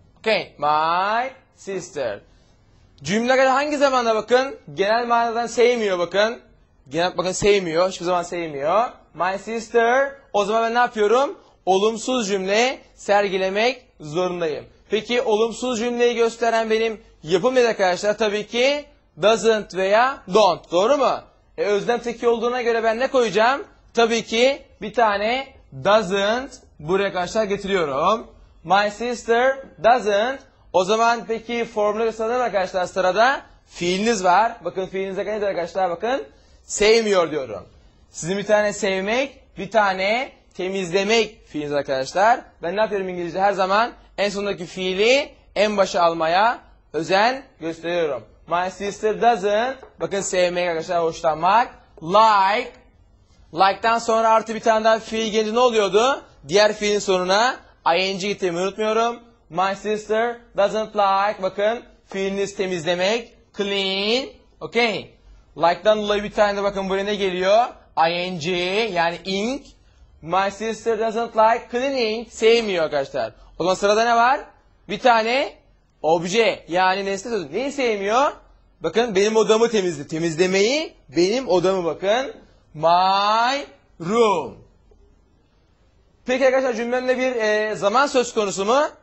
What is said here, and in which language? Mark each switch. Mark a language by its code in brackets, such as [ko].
[tr] Okay, [en] my sister. [tr] Cümleler hangi zamanda bakın? Genel manadan sevmiyor bakın. Genel bakın sevmiyor, hiçbir zaman sevmiyor. [en] My sister. [tr] O zaman ben ne yapıyorum? Olumsuz cümle sergilemek zorundayım. Peki olumsuz cümleyi gösteren benim yapım ne arkadaşlar? Tabii ki doesn't veya don't. Doğru mu? Özlem teki olduğuna göre ben ne koyacağım? Tabii ki bir tane doesn't buraya arkadaşlar getiriyorum. [en] My sister doesn't. [tr] O zaman peki formları sanırım arkadaşlar sırada. Fiiliniz var. Bakın fiilinizde ne diyor arkadaşlar? Bakın sevmiyor diyorum. Sizin bir tane sevmek, bir tane temizlemek fiiliniz arkadaşlar. Ben ne yapıyorum İngilizce? Her zaman en sondaki fiili en başa almaya özen gösteriyorum. [en] My sister doesn't. [tr] Bakın sevmek arkadaşlar, hoşlanmak. Like. Like'dan sonra artı bir tane daha fiil gelince ne oluyordu? Diğer fiilin sonuna ing gitmeyi unutmuyorum. [en] My sister doesn't like. [tr] Bakın fiiliniz temizlemek. [en] Clean. Okay. [tr] Like'dan dolayı bir tane de bakın buraya ne geliyor? ING yani ink. [en] My sister doesn't like cleaning. [tr] Sevmiyor arkadaşlar. O zaman sırada ne var? Bir tane obje yani nesne sözü. Neyi sevmiyor? Bakın benim odamı temizle. Temizlemeyi benim odamı bakın. [en] My room. [tr] Peki arkadaşlar cümlemde bir zaman söz konusu mu?